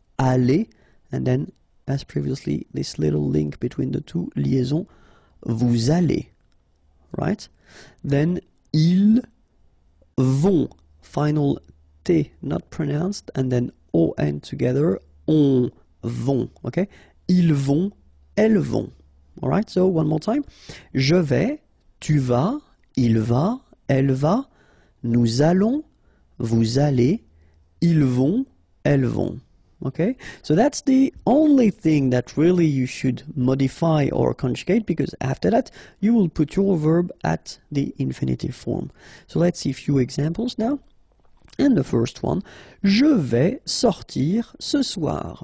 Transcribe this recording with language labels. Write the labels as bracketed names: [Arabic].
[English] Allez, and then, as previously, this little link between the two, liaison, [French] vous allez, [English] right? Then, [French] ils vont, [English] final T not pronounced, and then O and together, on vont, okay? [French] Ils vont, elles vont. [English] Alright, so one more time. [French] Je vais, tu vas, il va, elle va, nous allons, vous allez, ils vont, elles vont. [English] Okay, so that's the only thing that really you should modify or conjugate, because after that, you will put your verb at the infinitive form. So let's see a few examples now. And the first one, [French] je vais sortir ce soir.